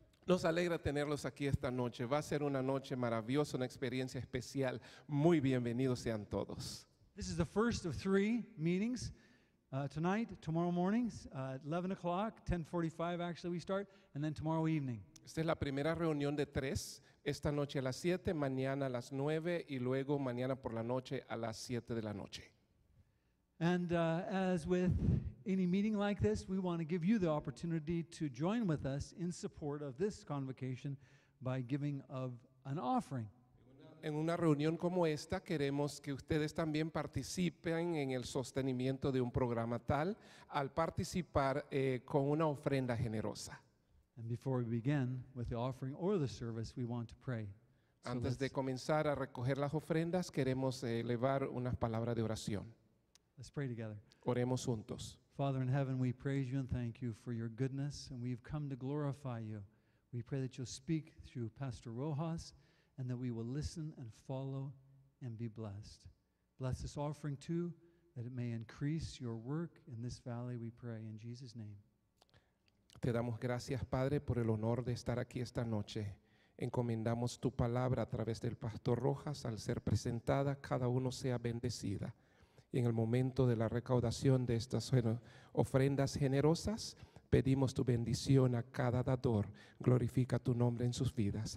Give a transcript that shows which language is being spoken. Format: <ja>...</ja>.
<es>Nos alegra tenerlos aquí esta noche. Va a ser una noche maravillosa, una experiencia especial. Muy bienvenidos sean todos.</es> <en>This is the first of three meetings tonight, tomorrow morning, 11 o'clock, 10:45 actually we start, and then tomorrow evening.</en> <es>Esta es la primera reunión de tres, esta noche a las 7, mañana a las 9 y luego mañana por la noche a las 7 de la noche.</es> <en>And as with any meeting like this, we want to give you the opportunity to join with us in support of this convocation by giving of an offering.</en> <es>En una reunión como esta, queremos que ustedes también participen en el sostenimiento de un programa tal al participar con una ofrenda generosa.</es> <en>And before we begin with the offering or the service, we want to pray.</en> <es>Antes de comenzar a recoger las ofrendas, queremos elevar unas palabras de oración.</es> <en>Let's pray together.</en> <es>Oremos juntos.</es> <en>Father in heaven, we praise you and thank you for your goodness, and we've come to glorify you. We pray that you'll speak through Pastor Rojas, and that we will listen and follow and be blessed. Bless this offering too, that it may increase your work in this valley, we pray in Jesus' name.</en> <es>Te damos gracias, Padre, por el honor de estar aquí esta noche. Encomendamos tu palabra a través del Pastor Rojas. Al ser presentada, cada uno sea bendecida. Y en el momento de la recaudación de estas ofrendas generosas, Pedimos tu bendición a cada dador. Glorifica tu nombre en sus vidas.</es>